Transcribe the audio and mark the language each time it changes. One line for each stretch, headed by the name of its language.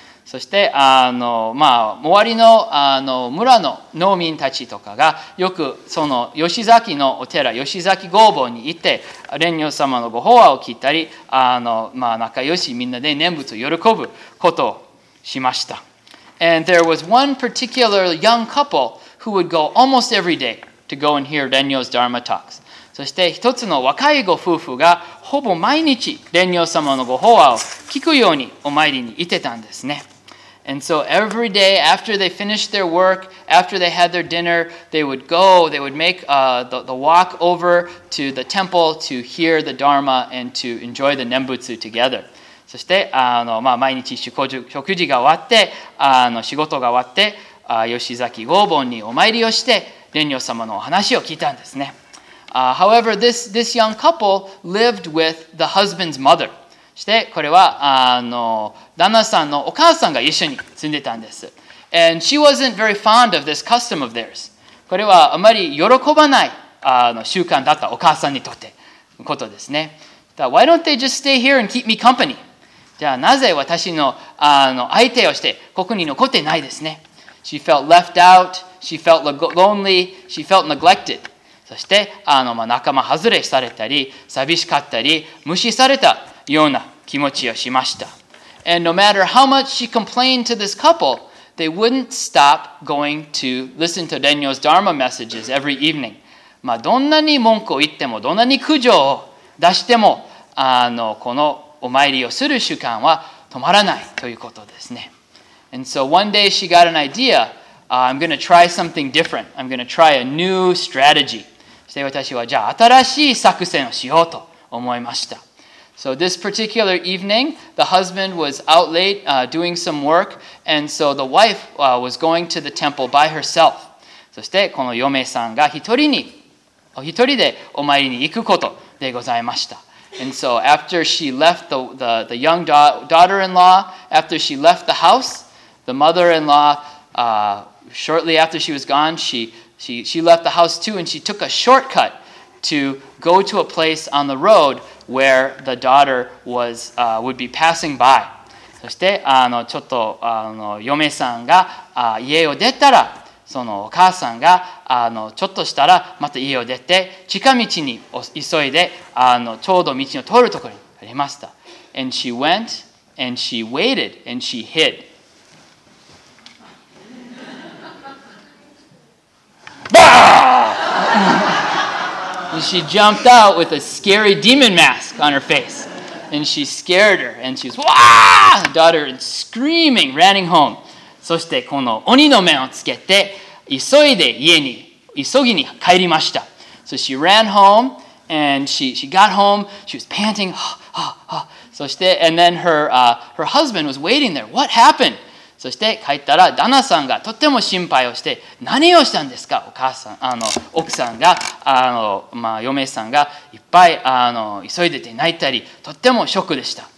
Japanese: そしてあの、まあ、周り あの村の農民たちとかがよくその吉崎のお寺吉崎御坊に行って蓮如様のご法話を聞いたりあの、まあ、仲良しみんなで念仏を喜ぶことをしました。
English: And there was one particular young couple who would go almost every day to go and hear 蓮如's Dharma talks.
Japanese: そして一つの若いご夫婦がほぼ毎日蓮如様のご法話を聞くようにお参りに行ってたんですね。
English: And so every day after they finished their work, after they had their dinner, they would go, they would make the walk over to the temple to hear the Dharma and to enjoy the Nembutsu together.
Japanese: そしてあの、まあ、毎日食事が終わってあの仕事が終わって吉崎御坊にお参りをして蓮如様のお話を聞いたんですね。
English: However, this young couple lived with the husband's mother.
Japanese: そしてこれはあの旦那さんのお母さんが一緒に住んでたんです。
English: And she wasn't very fond of this custom of theirs.
Japanese: これはあまり喜ばないあの習慣だったお母さんにとってのことですね。
English: Why don't they just stay here and keep me company?
Japanese: じゃあなぜ私 あの相手をしてここに残ってないですね。
English: She felt left out, she felt lonely, she felt neglected.
Japanese: そしてあの、まあ、仲間外れされたり、寂しかったり、無視された。ような気持ちをしました。
English: And no matter how much she complained to this couple, they wouldn't stop going to listen to 蓮如's Dharma messages every evening.
Japanese: まあどんなに文句を言っても、どんなに苦情を出しても、あのこのお参りをする習慣は止まらないということですね。
English: And so one day she got an idea, I'm going to try something different. I'm going to try a new strategy.
Japanese: そして私はじゃあ新しい作戦をしようと思いました。
English: So this particular evening, the husband was out late doing some work, and so the wife was going to the temple by herself.
Japanese: そしてこの嫁さんが一人でお参りに行くことでございました。
English: And so after she left the young daughter-in-law, after she left the house, the mother-in-law, shortly after she was gone, she left the house too, and she took a shortcut to go to a place on the road where the daughter was would be passing by.
Japanese: そしてあのちょっとあの嫁さんが家を出たら、そのお母さんがあのちょっとしたらまた家を出て近道に急いであのちょうど道を通るところにありました。
English: And she went and she waited and she hid. And she jumped out with a scary demon mask on her face. And she scared her. And she's, wah! The daughter is screaming, running home.
Japanese: そしてこの鬼の目をつけて、急いで家に、急ぎに帰りました。
English: So she ran home, and she got home. She was panting.
Japanese: そして、
English: and then her husband was waiting there. What happened?
Japanese: そして帰ったら、旦那さんがとても心配をして、何をしたんですか？お母さん、あの、奥さんが、あの、まあ、嫁さんがいっぱい、あの、急いでて泣いたり、とってもショックでした。